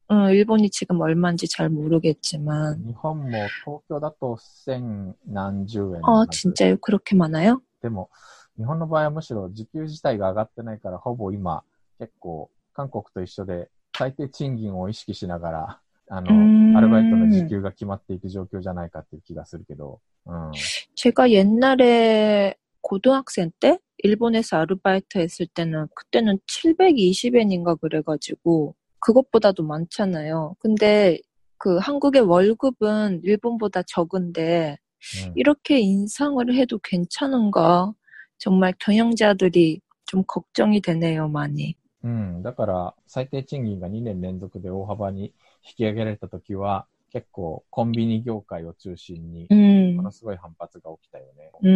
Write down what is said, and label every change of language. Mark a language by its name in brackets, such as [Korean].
[Korean] 일본이지금얼마인지잘모르겠지만 일본뭐도쿄 [Japanese] だと千何十円 [Korean] 진짜요그렇게많아요 [Japanese] でも日本の場合はむしろ時給自体が上がってないからほぼ今結構韓国と一緒で最低賃金を意識しながらアルバイトの時給が決まっていく状況じゃないかっていう気がするけど、 [Korean] 제가옛날에고등학생때일본에서アルバイト했을때는그때는720엔인가그래가지고그것보다도많잖아요근데그한국의월급은일본보다적은데 이렇게 인상을 해도 괜찮은가? 정말 경영자들이 좀 걱정이 되네요, 많이. [Japanese] だから最低賃金が2年連続で大幅に引き上げられた時は結構コンビニ業界を中心にものすごい反発が起きたよね。